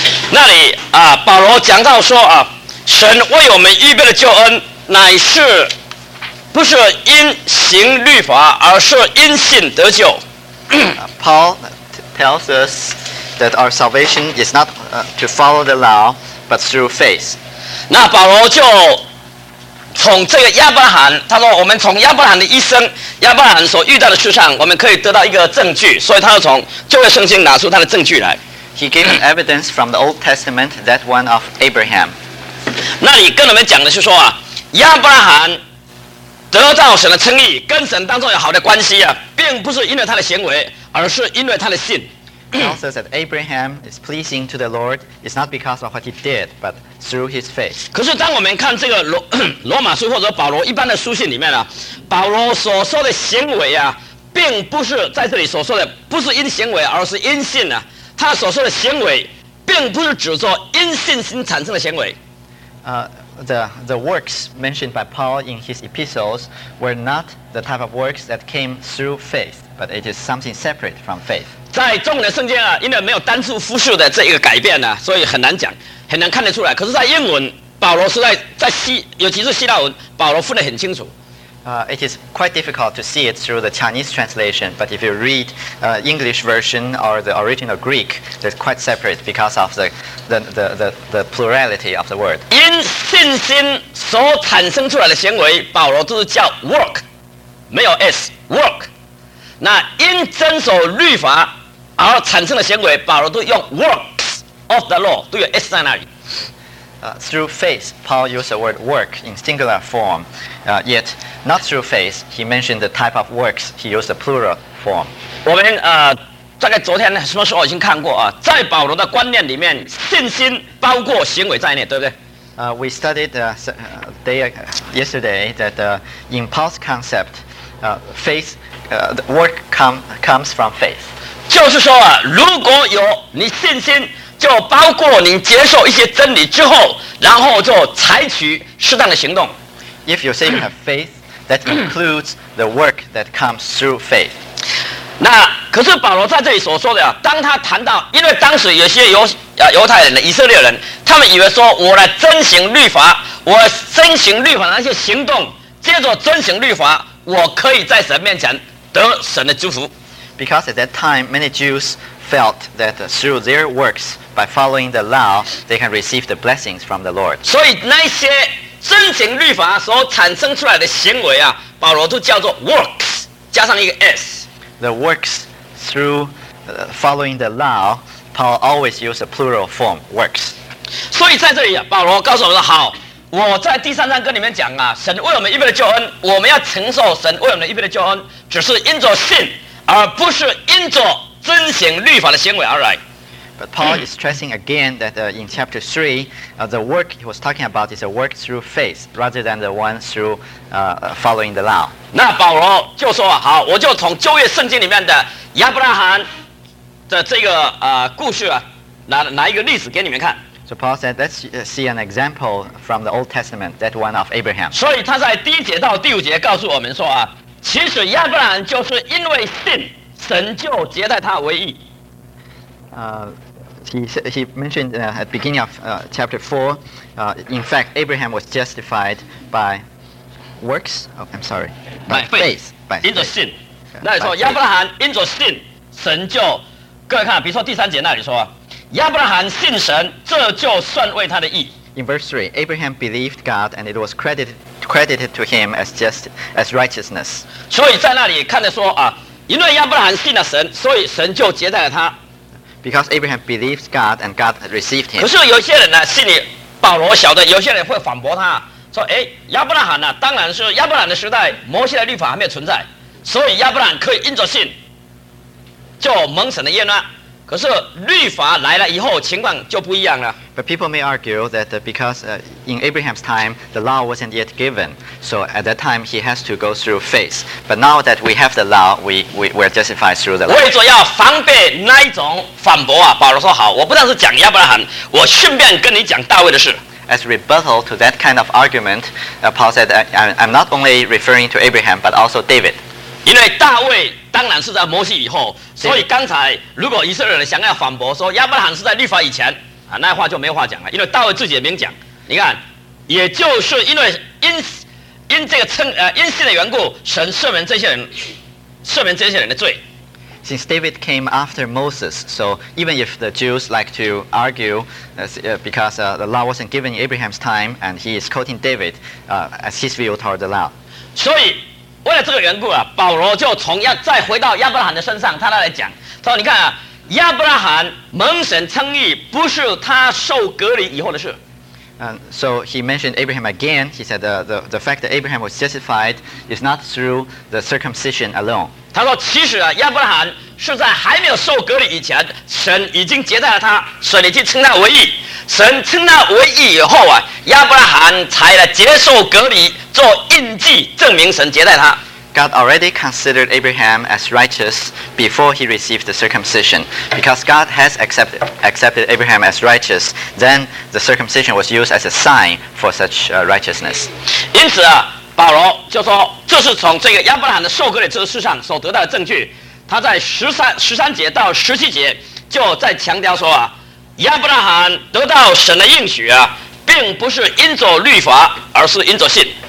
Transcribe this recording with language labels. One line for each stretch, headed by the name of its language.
Chinese: 那里保罗讲到说神为我们预备的救恩乃是不是因行律法而是因信得救。
English: Paul tells us that our salvation is not to follow the law but through faith.
Chinese: 那保罗就从这个亚伯拉罕，他说我们从亚伯拉罕的一生，亚伯拉罕所遇到的事上，我们可以得到一个证据，所以他就从旧约圣经拿出他的证据来。
English: He gave an evidence from the Old Testament, that one of Abraham.
Chinese: 那里跟我们讲的是说亚伯拉罕得到神的称义，跟神当中有好的关系并不是因为他的行为，而是因为他的信。
English: He also said Abraham is pleasing to the Lord. It's not because of what he did, but through his faith.
Chinese: 可是当我们看这个罗马书或者保罗一般的书信里面保罗所说的行为并不是在这里所说的不是因行为，而是因信他所说的行为，并不是指说因信心产生的行为。
English: The works mentioned by Paul in his epistles were not the type of works that came through faith, but it is something separate from faith.
Chinese: 在中文的圣经因为没有单数复数的这一个改变所以很难讲，很难看得出来。可是，在英文，保罗是在希，尤其是希腊文，保罗分得很清楚。
English: It is quite difficult to see it through the Chinese translation, but if you read English version or the original Greek, they're quite separate because of the plurality of the word.
Chinese: 因信心所产生出来的行为，保罗都是叫 work， 没有 s work。那因遵守律法而产生的行为，保罗都用
English: works of the law，
Chinese: 都有 s 在那里。
English: Through faith, Paul used the word work in singular form. Yet not through faith, he mentioned the type of works. He used the plural form.
Chinese: 我们大概昨天什么时候已经看过在保罗的观念里面，信心包括行为在内，对不对？
English: We studied yesterday that the impulse concept, faith, the work comes from faith.
Chinese: 就是说啊，如果有你信心，就包括你接受一些真理之后，然后就采取适当的行动。
English: If you say you have faith, that includes the work that comes through faith.
Chinese: 那可是保罗在这里所说的啊，当他谈到，因为当时有些犹太人的以色列人，他们以为说我来遵行律法，我遵行律法那些行动，接着遵行律法，我可以在神面前得神的祝福。
English: Because at that time, many Jews felt that through their works, by following the law, they can receive the blessings from the Lord.
Chinese: 所以那些遵行律法所产生出来的行为啊，保罗都叫做 works， 加上一个 s。
English: The works through following the law, Paul always used a plural form, works.
Chinese: 所以在这里啊，保罗告诉我们说，好，我在第三章跟你们讲啊，神为我们预备的救恩，我们要承受神为我们预备的救恩，只是因着信。而不是因着遵行律法的行为而来。
English: But Paul is stressing again that in chapter 3, the work he was talking about is a work through faith rather than the one through following the law.
Chinese: 那保罗就说啊，好，我就从旧约圣经里面的亚伯拉罕的这个故事啊，拿一个例子给你们看。
English: So Paul said, let's see an example from the Old Testament, that one of Abraham.
Chinese: 所以他在第一节到第五节告诉我们说啊，其实亚伯兰就是因为信，神就接待他为义。
English: He mentioned at the beginning of chapter 4, in fact, Abraham was justified by works. Oh, I'm sorry. By faith. By faith.
Chinese: 因着信。那里说亚伯兰因着信，神就，各位看，比如说第三节那里说，亚伯兰信神，这就算为他的义。
English: In verse 3, Abraham believed God and it was credited to him as righteousness.
Chinese: 所以在那里看着说啊，因为亚伯兰信了神，所以神就接待了他。
English: Because Abraham believed God and God received him.
Chinese: 可是有些人呢，心里保罗晓得，有些人会反驳他，说：“哎，亚伯兰呢，当然是亚伯兰的时代，摩西的律法还没有存在，所以亚伯兰可以因着信就蒙神的悦纳。” 可是律法来了以后，情况就不一样了。
English: But people may argue that because in Abraham's time the law wasn't yet given, so at that time he has to go through faith. But now that we have the law, we're justified through the law.
Chinese: 为着要防备那一种反驳啊，保罗说：“好，我不但是讲亚伯拉罕，我顺便跟你讲大卫的事。”
English: As rebuttal to that kind of argument, Paul said, "I'm not only referring to Abraham, but also David."
Chinese: 因为大卫。当然是在摩西以后，所以刚才如果以色列人想要反驳说亚伯拉罕是在律法以前啊，那话就没话讲了，因为大卫自己也明讲，你看，也就是因为因这个因信的缘故，神赦免这些人，赦免这些人的罪。
English: Since David came after Moses, so even if the Jews like to argue because the law wasn't given in Abraham's time, and he is quoting David as his view toward the law.
Chinese: 所以。为了这个缘故啊，保罗就从再回到亚伯拉罕的身上，他来讲，他说：“你看啊，亚伯拉罕蒙神称义，不是他受隔离以后的事。”
English: So he mentioned Abraham again. He said the fact that Abraham was justified is not through the circumcision alone.
Chinese: 他说：“其实啊，亚伯拉罕是在还没有受隔离以前，神已经接待了他，神已经称他为义。神称他为义以后啊，亚伯拉罕才来接受隔离。” 做印记证明神接待他。
English: God already considered Abraham as righteous before he received the circumcision. Because God has accepted Abraham as righteous, then the circumcision was used as a sign for such righteousness.
Chinese: 因此啊，保罗就说，这是从这个亚伯拉罕的受割礼这个事上所得到的证据。他在十三节到十七节就在强调说啊，亚伯拉罕得到神的应许啊，并不是因着律法，而是因着信。